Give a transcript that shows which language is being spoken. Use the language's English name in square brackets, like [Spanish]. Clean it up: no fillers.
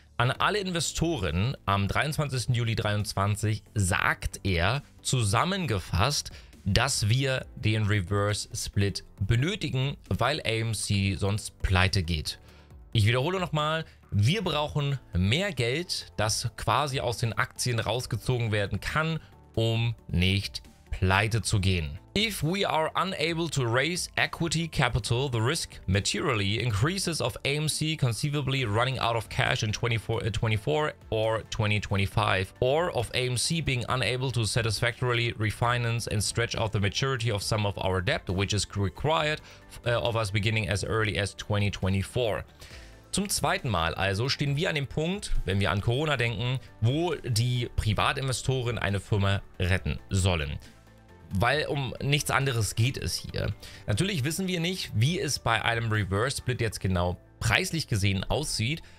[German] An alle Investoren am 23. Juli 2023 sagt er zusammengefasst, dass wir den Reverse Split benötigen, weil AMC sonst pleite geht. Ich wiederhole nochmal. Wir brauchen mehr Geld, das quasi aus den Aktien rausgezogen werden kann, um nicht pleite zu gehen. [English] If we are unable to raise equity capital, the risk materially increases of AMC conceivably running out of cash in 2024 or 2025, or of AMC being unable to satisfactorily refinance and stretch out the maturity of some of our debt, which is required of us beginning as early as 2024. [German] Zum zweiten Mal also stehen wir an dem Punkt, wenn wir an Corona denken, wo die Privatinvestoren eine Firma retten sollen. Weil um nichts anderes geht es hier. Natürlich wissen wir nicht, wie es bei einem Reverse Split jetzt genau preislich gesehen aussieht.